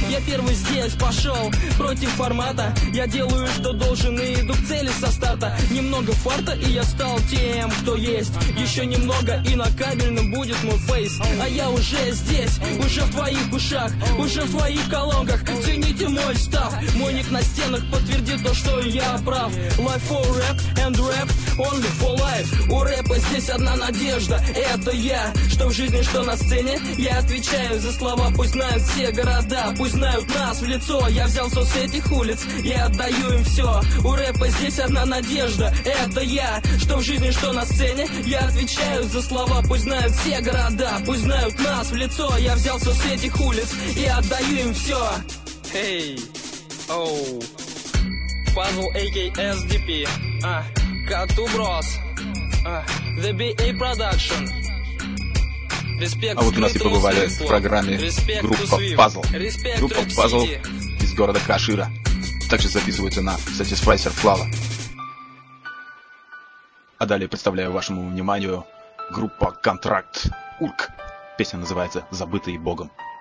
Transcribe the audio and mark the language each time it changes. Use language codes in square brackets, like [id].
[ru] Я первый здесь пошел против формата. Я делаю, что должен, и иду к цели со старта. Немного фарта, и я стал тем, кто есть. Еще немного, и на карте будет мой фейс. А я уже здесь, уже в твоих ушах, уже в твоих колонках. Цените мой став. Мой ник на стенах подтвердит то, что я прав. [en] Life for rap and rap only for life. [ru] У рэпа здесь одна надежда, это я. Что в жизни, что на сцене, я отвечаю за слова. Пусть знают все города, пусть знают нас в лицо. Я взял соус этих улиц и отдаю им все. У рэпа здесь одна надежда, это я. Что в жизни, что на сцене, я отвечаю за слова. Пусть знают все города, пусть знают нас в лицо. Я взялся с этих улиц и отдаю им все. [en] Hey, oh, Пазл, a.k.a. SDP, Кату Брос, The BA Production. [ru] Респект. А вот у нас и побывали в программе группа Пазл. Группа Пазл из города Кашира. Также записывается на Satisfyer Flava. А далее представляю вашему вниманию группа «Контракт», «Урк». Песня называется «Забытый Богом».